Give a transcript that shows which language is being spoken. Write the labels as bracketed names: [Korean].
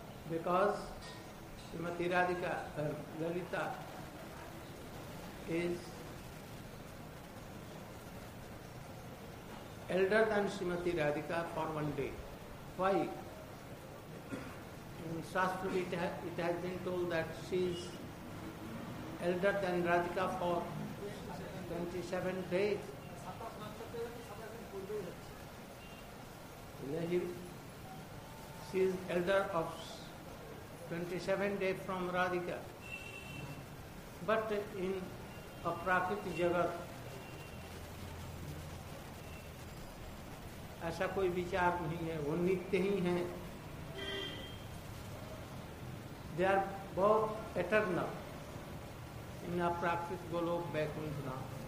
[English] Because Shrimati Radhika Lalita is elder than Shrimati Radhika for one day. Why? Shastra, it has been told that she is elder than Radhika for 27 days. She is elder of 27 days from Radhika. But in a prakriti jagat, [Hindi] ऐसा कोई विचार नहीं है, वो नित्य ही है. [English] They are both eternal in a प्राकृत गोलोक वैकुंठ नाम.